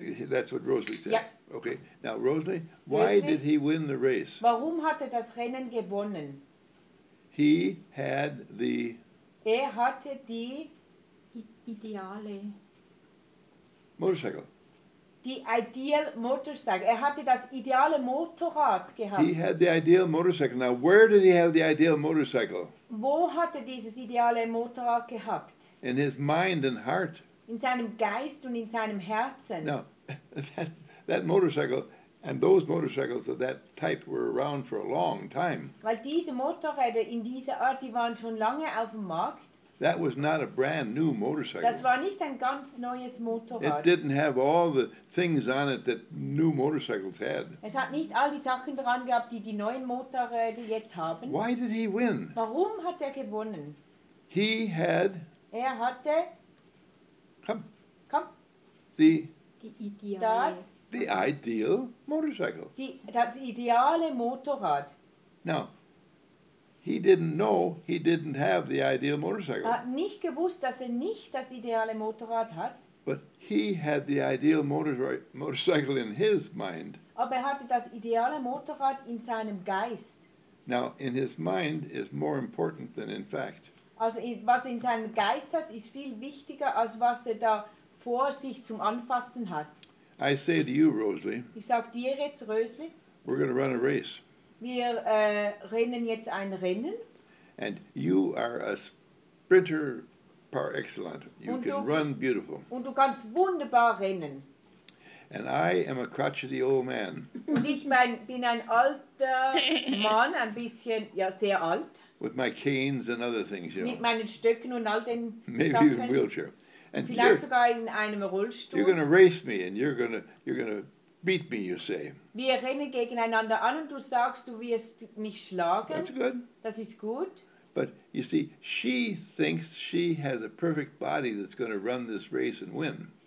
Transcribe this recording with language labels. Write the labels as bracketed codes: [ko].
[en] That's what Rosalie said. Yeah. Okay. Now, Rosalie, why did he win the race? [de] Warum hat er das Rennen gewonnen? [en] He had the... [de] Er hatte die... Ideale... [en] Motorcycle. Die ideal motorcycle. [de] Er hatte das ideale Motorrad gehabt. [en] He had the ideal motorcycle. Now, where did he have the ideal motorcycle? [de] Wo hatte dieses ideale Motorrad gehabt? [en] In his mind and heart. [de] In seinem Geist und in seinem Herzen. [en] No, that motorcycle and those motorcycles of that type were around for a long time. [de] Weil diese Motorräder in dieser Art, die waren schon lange auf dem Markt. [en] That was not a brand new motorcycle. [de] Das war nicht ein ganz neues Motorrad. [en] It didn't have all the things on it that new motorcycles had. [de] Es hat nicht all die Sachen dran gehabt, die die neuen Motorräder jetzt haben. [en] Why did he win? [de] Warum hat er gewonnen? [en] He had. [de] Er hatte. Komm. [en] The. [de] Die ideale. Das. [en] The ideal motorcycle. [de] Das ideale Motorrad. [en] Now. He didn't know he didn't have the ideal motorcycle. [de] Er hat nicht gewusst, dass er nicht das ideale Motorrad hat. [en] But he had the ideal motorcycle in his mind. [de] Aber er hatte das ideale Motorrad in seinem Geist. [en] Now, in his mind is more important than in fact. [de] Also, was er in seinem Geist hat, ist viel wichtiger, als was er da vor sich zum Anfassen hat. [en] I say to you, Rosalie. [de] Ich sag dir jetzt, Rosalie. [en] We're going to run a race. [de] Wir rennen jetzt ein Rennen. [en] And you are a sprinter par excellence. You [de] und [en] can [de] du, [en] run beautiful. [de] Und du kannst wunderbar rennen. [en] And I am a crotchety old man. [de] Und ich mein, bin ein alter Mann, ein bisschen, ja, sehr alt. [en] With my canes and other things, you [de] mit [en] know. [de] Mit meinen Stöcken und all den [en] maybe [de] Sachen. [en] Maybe in a wheelchair. [de] And vielleicht sogar in einem Rollstuhl. [en] You're going to race me and you're going to beat me, you say. [de] Wir rennen gegeneinander an und du sagst, du wirst mich schlagen. [en] That's good. [de] Das ist gut. [en] But you see, she thinks she has a perfect body that's going to run this race and win.